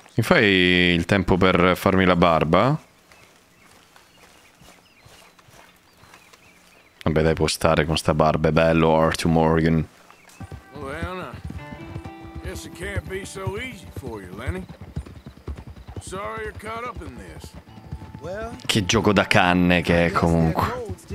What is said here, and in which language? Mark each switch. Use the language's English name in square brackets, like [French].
[Italian] Mi fai il tempo per farmi la barba? Vabbè, dai, può stare con sta barba, è bello, Arthur Morgan. [English] Well, guess it can't be so easy for you, Lenny. Sorry you're caught up in this. [Italian] Well, che gioco da canne che è comunque.